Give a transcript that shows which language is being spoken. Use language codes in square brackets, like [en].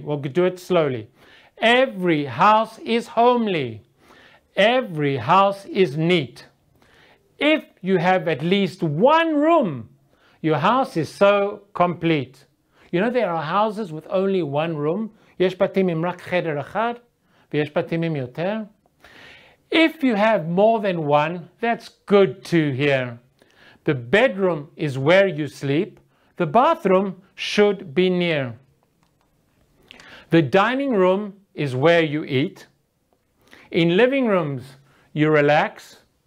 [en] We'll do it slowly. Every house is homely. Every house is neat. If you have at least one room, your house is so complete. You know, there are houses with only one room. [he] יש בתים עם רק חדר אחד, ויש בתים עם יותר. [en] If you have more than one, that's good to hear. The bedroom is where you sleep. The bathroom should be near. The dining room is where you eat. In living rooms, you relax.